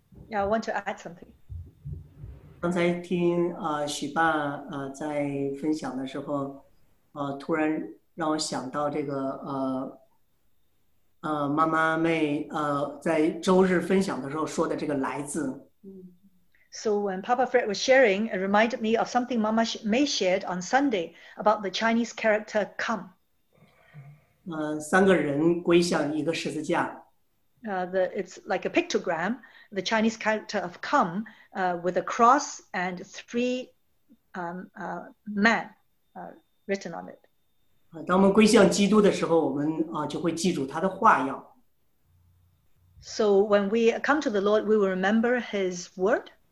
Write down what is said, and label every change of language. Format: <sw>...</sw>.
<en>Yeah, I want to add something.</en> <zh>刚才听许爸在分享的时候，突然让我想到这个妈妈妹在周日分享的时候说的这个来自。</zh> <en>So when Papa Fred was sharing, it reminded me of something Mama May shared on Sunday about the Chinese character come.</en> <zh>三个人归向一个十字架。</zh> <en>It's like a pictogram, the Chinese character of come with a cross and three men written on it.</en> <zh>当我们归向基督的时候，我们就会记住他的话要。</zh> <en>So when we come to the Lord, we will remember his word.</en>